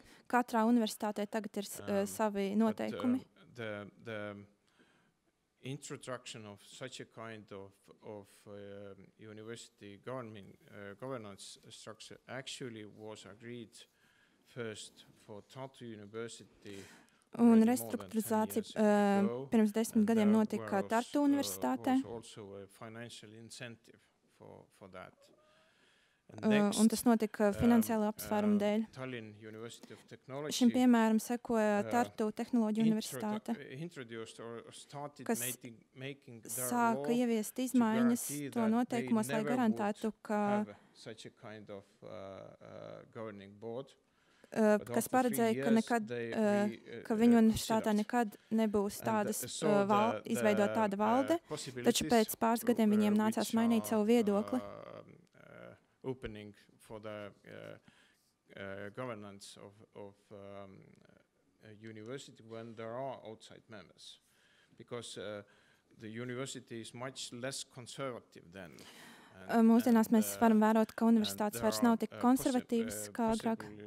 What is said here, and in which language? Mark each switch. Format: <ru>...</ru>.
<lv>katrā universitātē tagad ir savi noteikumi.</lv> <en>The introduction of such a kind of university governance structure actually was agreed first for Tartu University.</en> <lv>Un restruktūrizācija pirms 10 gadiem notika Tartu universitātē.</lv> <en>Also a financial incentive for that.</en> <lv>Un tas notika finansiālo apsvērumu dēļ.</lv> <en>Tallinn University of Technology.</en> <lv>Šim piemēram sekoja Tartu tehnoloģiju universitāte.</lv> <en>Introduced or started</en> <lv>kas</lv> <en>making their</en> <lv>sāka ieviest izmaiņas to noteikumos, lai garantētu, ka</lv> <en>such a kind of governing board.</en> <lv>Kas paredzēja, ka nekad ka viņu universitātē nekad nebūs tādas izveidot tāda valde, taču pēc pāris gadiem viņiem nācās mainīt savu viedokli.</lv> <en>Opening for the governance of a university when there are outside members, because the university is much less conservative than.</en> <lv>Mūsdienās mēs varam vērot, ka universitātes vairs nav tik konservatīvas kā agrāk.</lv>